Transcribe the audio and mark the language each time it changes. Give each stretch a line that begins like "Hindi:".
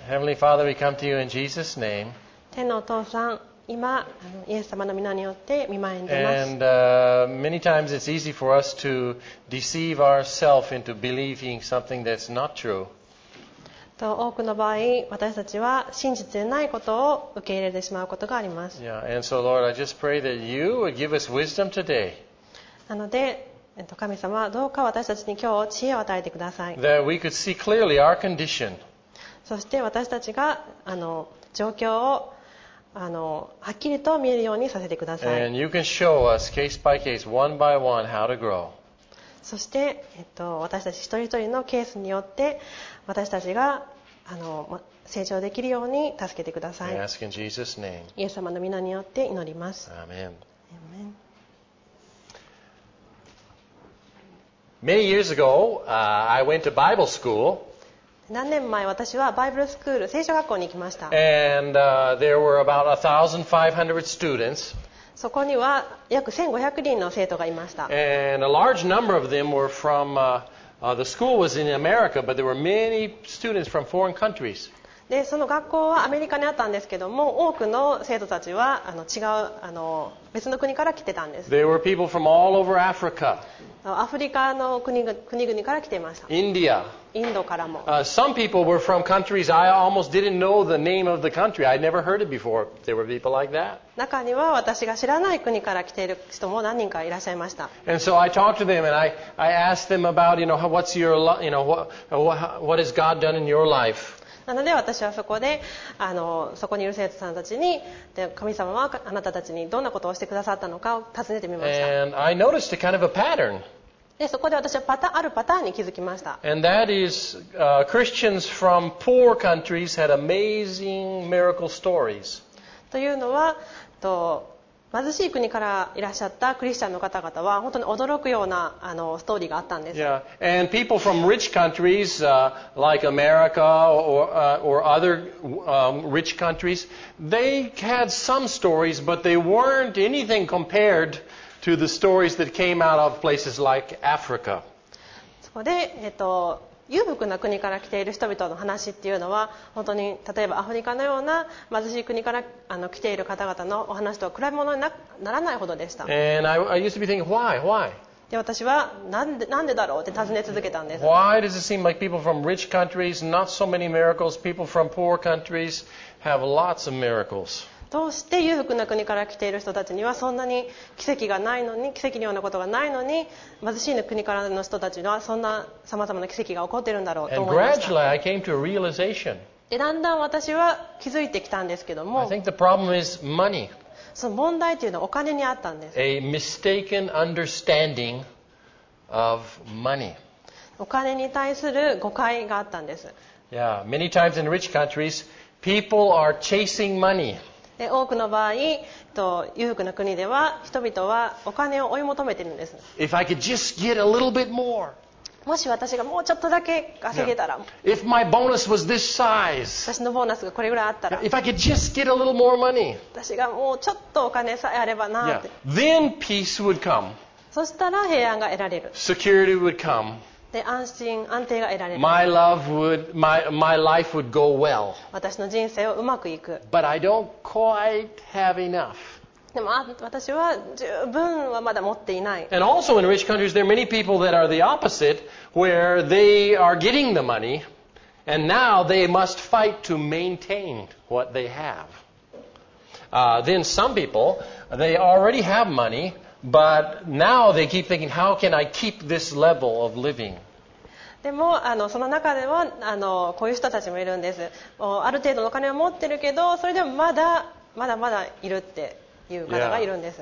English: Heavenly Father, we come to you in Jesus' name.
Japanese: 天のお父さん、今イエス様の御名によって御前に出ます。
English: And many times it's easy for us to deceive ourselves into believing something that's not true.
Japanese: と多くの場合、私たちは真実でないことを受け入れてしまうことがあります。
English: Yeah, and so Lord, I just pray that you would give us wisdom today.
Japanese: なので神様、どうか私たちに今日知恵を与えてください。
English: That we could see clearly our condition.
Japanese: そして私たちが状況をはっきりと見えるようにさせてください。
English: And you can show us case by case, one by one, how to grow.
Japanese: そして私たち一人一人のケースによって私たちが成長できるように助けてください。
English: I ask in Jesus' name.
Japanese: イエス様の御名によって祈ります。
English: Amen. Amen. Many years ago, I went to Bible school.
Japanese: 何年前私はバイブルスクール、聖書学校に行きました。
English: And, there were about 1,500 students.
Japanese: そこには約1500人の生徒がいました。
English: And a large number of them were from, the school was in America, but there were many students from foreign countries.
Japanese: で、その学校はアメリカにあったんですけども、多くの生徒たちは違う別の国から来てたんです。
English: There were people from all over Africa.
Japanese: アフリカの国々から来ていました。
English: India.
Japanese: インドからも。
English: Some people were from countries I almost didn't know the name of the country. I'd never heard it before. There were people like that.
Japanese: 中には私が知らない国から来ている人も何人かいらっしゃいました。
English: And so I talked to them and I asked them about, you know, what's your, you know, what has God done in your life?
Japanese: なので私はそこでそこにいる生徒さんたちにで神様はあなたたちにどんなことをしてくださったのかを尋ねてみました。
English: And I noticed a kind of a pattern.
Japanese: でそこで私はあるパターンに気づきました。
English: And that is, Christians from poor countries had amazing miracle stories.
Japanese: というのは貧しい国からいらっしゃったクリスチャンの方々は本当に驚くようなストーリーがあったんです。
English: Yeah. And people from rich countries, like America or other, rich countries, they had some stories, but they weren't anything compared to the stories that came out of places like Africa.
Japanese: そこで、裕福な国から来ている人々の話っていうのは本当に例えばアフリカのような貧しい国から来ている方々のお話とは比べ物にならないほどでした。
English: And I used to be thinking, why?
Japanese: で私はなんでだろうって尋ね続けたんです。
English: Why does it seem like people from rich countries, not so many miracles, people from poor countries have lots of miracles?
Japanese: どうして裕福な国から来ている人たちにはそんなに奇跡がないのに奇跡のようなことがないのに貧しい国からの人たちにはそんなさまざまな奇跡が起こっているんだろうと思いました。
English: And gradually I came to a realization.
Japanese: でだんだん私は気づいてきたんですけども
English: I think the problem is money.
Japanese: その問題というのはお金にあったんです。
English: A mistaken understanding of money.
Japanese: お金に対する誤解があったんです。
English: Yeah, many times in rich countries, people are chasing money.
Japanese: で多くの場合、裕福な国では人々はお金を追い求めているんです。
English: If I could just get a little bit more.
Japanese: もし私がもうちょっとだけ稼げたら。
English: Yeah. If my bonus was this size.
Japanese: 私のボーナスがこれぐらいあったら。
English: If I could just get a little more money.
Japanese: 私がもうちょっとお金さえあればなって。
English: Yeah. Then peace would come.
Japanese: そしたら平安が得られる。
English: Security would come.
Japanese: で安心安定が得られる。
English: My love would, my life would go well.
Japanese: 私の人生はうまくいく。
English: But I don't quite have enough.
Japanese: でも私は十分はまだ持っていない。
English: And also in rich countries, there are many people that are the opposite, where they are getting the money, and now they must fight to maintain what they have. Then some people, they already have money. But now they keep thinking, how can I keep this level of living?
Japanese: でもその中ではこういう人たちもいるんです。ある程度のお金は持ってるけど、それでもまだいるっていう方がいるんです。